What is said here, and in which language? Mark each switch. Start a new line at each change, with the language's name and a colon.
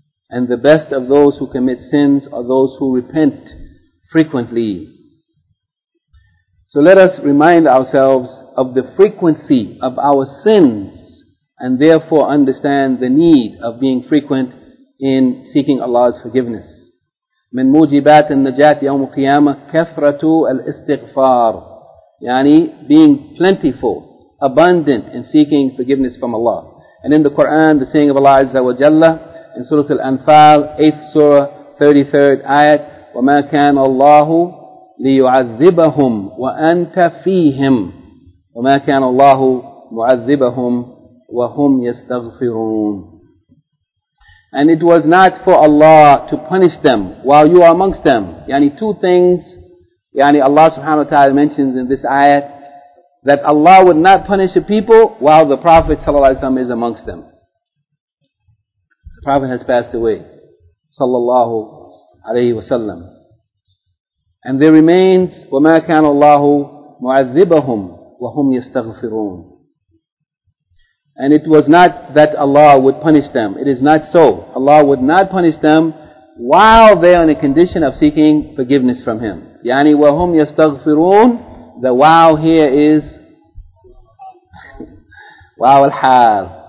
English: And the best of those who commit sins are those who repent frequently. So let us remind ourselves of the frequency of our sins and therefore understand the need of being frequent in seeking Allah's forgiveness.
Arabic: من موجبات النجاة يوم القيامة كثرة الاستغفار.
English: يعني being plentiful, abundant in seeking forgiveness from Allah. And in the Quran, the saying of Allah Azza wa Jalla, in Surah Al-Anfal, 8th Surah, 33rd Ayat,
Arabic: وَمَا كَانَ اللَّهُ لِيُعَذِّبَهُمْ وَأَنْتَ فِيهِمْ وَمَا كَانَ اللَّهُ مُعَذِّبَهُمْ وَهُمْ يَسْتَغْفِرُونَ.
English: And it was not for Allah to punish them while you are amongst them. Yani two things, yani Allah subhanahu wa ta'ala mentions in this ayat, that Allah would not punish a people while the Prophet sallallahu alayhi wa sallam is amongst them. The Prophet has passed away, sallallahu alayhi wa sallam. And there remains,
Arabic: وَمَا كَانَ اللَّهُ مُعَذِّبَهُمْ وَهُمْ يَسْتَغْفِرُونَ.
English: And it was not that Allah would punish them. It is not so. Allah would not punish them while they are in a condition of seeking forgiveness from Him.
Arabic: يعني وَهُمْ يَسْتَغْفِرُونَ.
English: The wow here is wow al-hal.